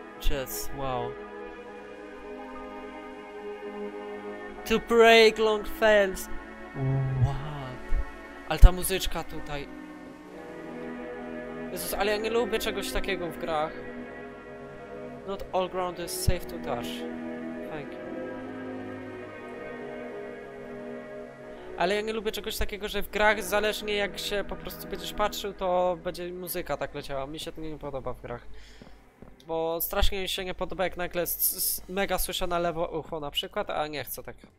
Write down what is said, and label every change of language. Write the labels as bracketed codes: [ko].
[en] Jets, wow. To break long fails. What? [pl] Ale ta muzyczka tutaj. Jezus, ale ja nie lubię czegoś takiego w grach. [en] Not all ground is safe to touch. Thank you. [pl] Ale ja nie lubię czegoś takiego, że w grach, zależnie jak się po prostu będziesz patrzył, to będzie muzyka tak leciała. Mi się to nie podoba w grach. Bo strasznie mi się nie podoba, jak nagle mega słyszę na lewo ucho na przykład, a nie chcę tak.